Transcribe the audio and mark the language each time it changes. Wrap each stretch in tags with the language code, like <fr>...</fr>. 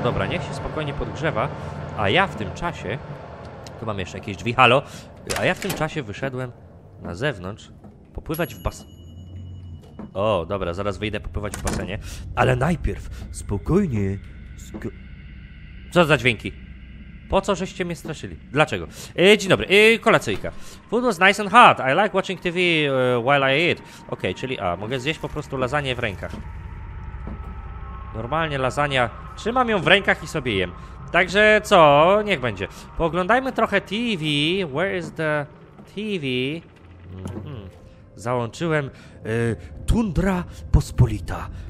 <pl>Dobra, niech się spokojnie podgrzewa. A ja w tym czasie, tu mam jeszcze jakieś drzwi, halo, a ja w tym czasie wyszedłem na zewnątrz popływać w basen. O, dobra, zaraz wyjdę popływać w basenie, ale najpierw spokojnie. Co za dźwięki? Po co żeście mnie straszyli? Dlaczego? Dzień dobry, kolacyjka.</pl> <en>Food was nice and hot, I like watching TV while I eat.</en> <pl>Okej, czyli mogę zjeść po prostu lasagne w rękach. Normalnie lasagne, trzymam ją w rękach i sobie jem. Także co? Niech będzie. Pooglądajmy trochę TV.</pl> <en>Where is the TV?</en> <pl>Załączyłem Tundra Pospolita.</pl>